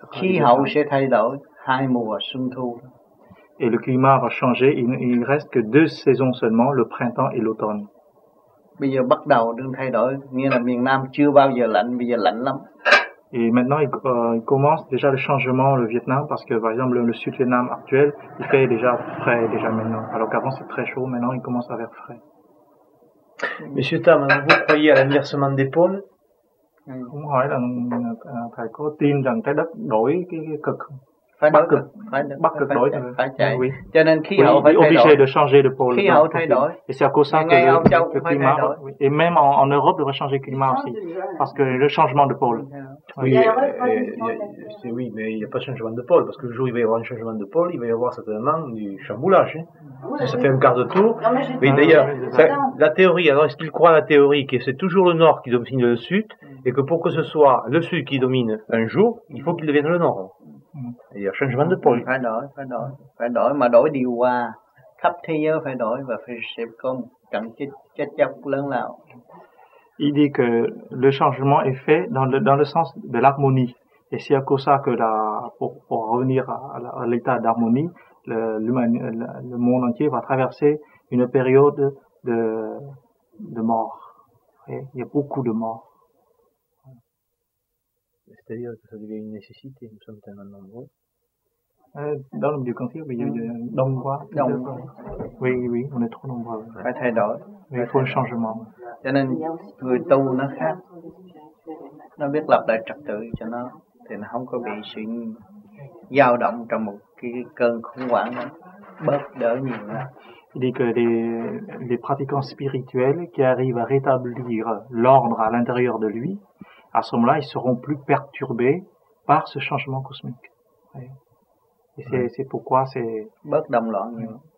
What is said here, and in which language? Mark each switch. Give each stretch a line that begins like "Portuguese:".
Vietnamese: Khí hậu sẽ thay đổi, hai mùa xuân thu.
French: Et le climat va changer, il ne reste que deux saisons seulement, le printemps et l'automne.
Vietnamese: Bây giờ bắt đầu đang thay đổi, nghĩa là miền Nam chưa bao giờ lạnh, bây giờ lạnh lắm.
French: Et maintenant, il commence déjà le changement au Vietnam, parce que, par exemple, le Sud-Vietnam actuel, il fait déjà frais, déjà maintenant. Alors qu'avant, c'est très chaud, maintenant, il commence à faire frais. Monsieur Tam, vous croyez à l'inversement des pôles?
Vietnamese: Không hỏi là phải có tin rằng trái đất đổi cái cực không? Phải bắc cực đổi, cho nên khí hậu phải thay đổi. Khí hậu thay đổi.
French: Et
Vietnamese: ngày Âu Châu cũng phải thay đổi.
French: Et même en Europe devrait changer le climat aussi, parce que le changement de pôle. Oui, mais il n'y a pas de changement de pôle, parce que le jour où il va y avoir un changement de pôle, il va y avoir certainement du chamboulage. Ça fait un quart de tour. Mais d'ailleurs, la théorie, alors est-ce qu'il croit la théorie que c'est toujours le nord qui domine le sud, et que pour que ce soit le sud qui domine un jour, il faut qu'il devienne le nord? Il y a un changement de pôle.
Vietnamese: Phải đổi, mà đổi điều hòa. Khắp thế giới phải đổi, và phải sẽ có một trận chết chóc lớn lao.
French: Il dit que le changement est fait dans le sens de l'harmonie. Et c'est à cause ça que pour revenir à l'état d'harmonie, le monde entier va traverser une période de mort. Et il y a beaucoup de morts. C'est-à-dire que ça devient une nécessité, nous sommes tellement nombreux. Dans le Dieu-Confir, il y a eu nombreux. Oui, on est trop nombreux. Il faut un changement.
Vietnamese: Cho nên, người tu nó khác. Nó biết lập lại trật tự cho nó, thì nó không có bị sự dao động trong một cái cơn khủng hoảng đó. Bớt đỡ nhiều nữa.
French: Il dit que les pratiquants spirituels qui arrivent à rétablir l'ordre à l'intérieur de lui, à ce moment-là, ils seront plus perturbés par ce changement cosmique. Et c'est pourquoi c'est...
Vietnamese: Bớt đồng loạn.